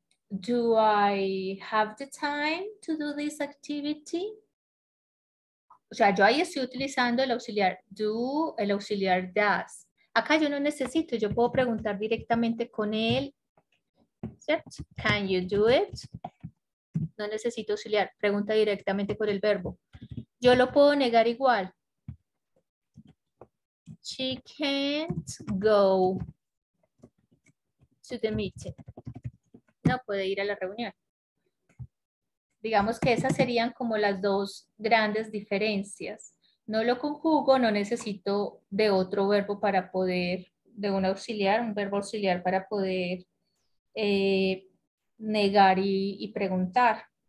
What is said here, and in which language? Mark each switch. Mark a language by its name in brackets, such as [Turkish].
[English] Do I have the time to do this activity? [Spanish] O sea, yo ahí estoy utilizando el auxiliar do, el auxiliar does. Acá yo no necesito, yo puedo preguntar directamente con él. ¿Cierto? [English] Can you do it? [Spanish] No necesito auxiliar, pregunta directamente con el verbo. Yo lo puedo negar igual. [English] She can't go to the meeting. [Spanish] No puede ir a la reunión. Digamos que esas serían como las dos grandes diferencias. No lo conjugo, no necesito de otro verbo para poder, de un auxiliar, un verbo auxiliar para poder negar y preguntar.